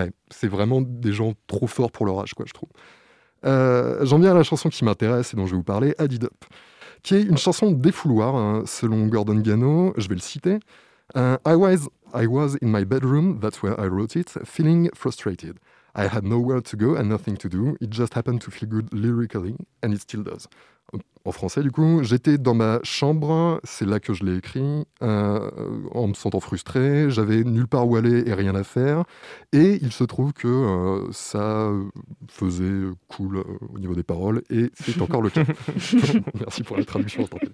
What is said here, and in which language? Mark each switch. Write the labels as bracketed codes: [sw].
[fr] C'est vraiment des gens trop forts pour leur âge, quoi, je trouve. J'en viens à la chanson qui m'intéresse et dont je vais vous parler, Added Up, qui est une chanson défouloir, selon Gordon Gano, je vais le citer. [en] I was in my bedroom, that's where I wrote it, feeling frustrated. I had nowhere to go and nothing to do, it just happened to feel good lyrically, and it still does. [fr] En français, du coup, j'étais dans ma chambre, c'est là que je l'ai écrit, en me sentant frustré, j'avais nulle part où aller et rien à faire, et il se trouve que ça faisait cool au niveau des paroles, et c'est encore le cas. Merci pour la traduction.